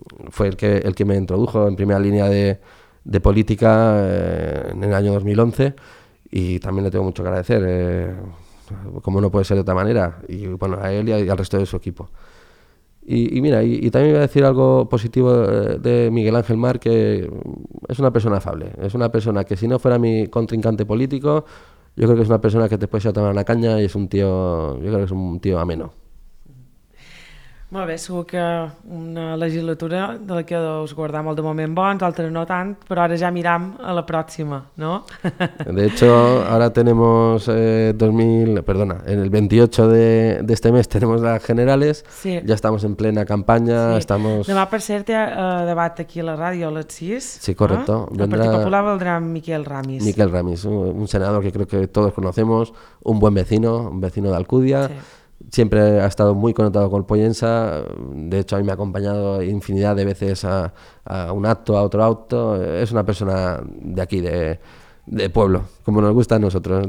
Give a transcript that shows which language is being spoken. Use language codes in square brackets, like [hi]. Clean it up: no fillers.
[es] Fue el que me introdujo en primera línea de política en el año 2011, y también le tengo mucho que agradecer, como no puede ser de otra manera, y bueno, a él y al resto de su equipo. Y mira, y también voy a decir algo positivo de Miguel Ángel Mar, que es una persona afable, es una persona que si no fuera mi contrincante político, yo creo que es una persona que después se va a tomar una caña, y es un tío, yo creo que es un tío ameno. [ca] Molt bé, segur que una legislatura de la que us guardem molt de moment bons, altres no tant, però ara ja miram a la pròxima, no? [es] De hecho, ahora tenemos 2000, perdona, en el 28 de este mes tenemos las generales, sí. Ja estamos en plena campanya, sí. Estamos... [ca] Demà, per cert, hi ha debat aquí a la ràdio a les 6. [es] Sí, correcto. No? [ca] Vendrà... El Partit Popular valdrà Miquel Ramis. [es] Miquel Ramis, un senador que creo que todos conocemos, un buen vecino, un vecino d'Alcúdia. Sí. Siempre ha estado muy conectado con el Pollença. De hecho, a mí me ha acompañado infinidad de veces a un acto, a otro acto. Es una persona de aquí, de pueblo, como nos gusta a nosotros.